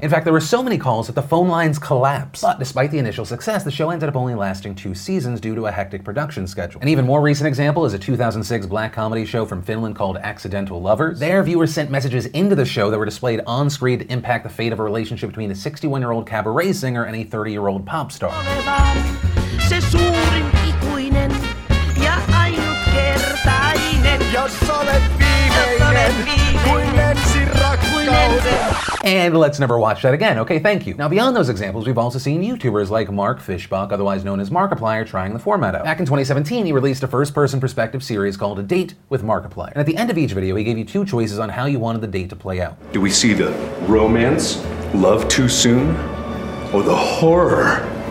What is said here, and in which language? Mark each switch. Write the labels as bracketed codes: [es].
[en] In fact, there were so many calls that the phone lines collapsed. But despite the initial success, the show ended up only lasting two seasons due to a hectic production schedule. An even more recent example is a 2006 black comedy show from Finland called Accidental Lovers. There, viewers sent messages into the show that were displayed on screen to impact the fate of a relationship between a 61-year-old cabaret singer and a 30-year-old pop star. [fi] Se suurin ikuinen ja ainutkertainen, jos olet viimeinen, kuin ensin rakkauden. [en] And let's never watch that again, okay? Thank you. Now, beyond those examples, we've also seen YouTubers like Mark Fishbach, otherwise known as Markiplier, trying the format out. Back in 2017, he released a first-person perspective series called A Date with Markiplier. And at the end of each video, he gave you two choices on how you wanted the date to play out. Do we see the romance, love too soon, or the horror?